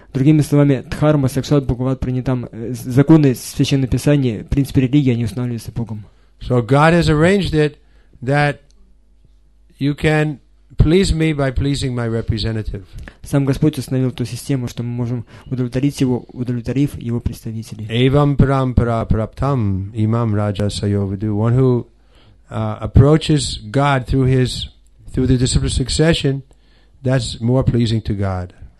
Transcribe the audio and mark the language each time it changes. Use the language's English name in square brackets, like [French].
[Russian] Другими словами, [Sanskrit] Дхарма Сакшат Бхагават Пранитам. [Russian] Законы Священного Писания, в принципе, религии, они устанавливаются Богом. [English] So God has arranged it that you can please me by pleasing my representative. [Russian] Сам Господь установил ту систему, что мы можем удовлетворить его, удовлетворив его представителей. [Sanskrit] Evam parampara praptam imam raja sayovadu. [English] One who approaches God through his through the discipline succession, that's more pleasing to God.